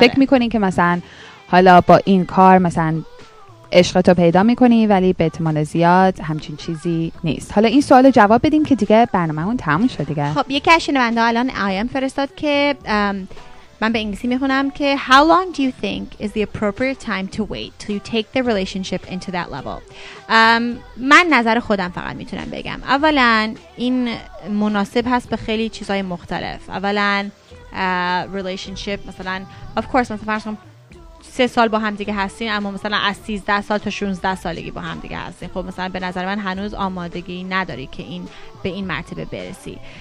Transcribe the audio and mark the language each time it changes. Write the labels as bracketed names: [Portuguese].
[Persian] فکر میکنی که مثلا حالا با این کار مثلا عشق تو پیدا میکنی ولی به احتمال زیاد همچین چیزی نیست. حالا این سوال جواب بدیم که دیگه برنامه‌مون تموم شد دیگه. خب یه کشنونده الان آیم فرستاد که من به انگلیسی میخونم که [English] How long do you think is the appropriate time to wait till you take the relationship into that level? [Persian] من نظر خودم فقط میتونم بگم. اولا این مناسب هست به خیلی چیزهای مختلف. اولا relationship مثلا [English] of course [Persian] مثلا فرض کنم 3 سال با هم دیگه هستین اما مثلا از 13 سال تا 16 سالگی با هم دیگه هستین. خب مثلا به نظر من هنوز آمادگی نداری که این به این مرتبه برسی.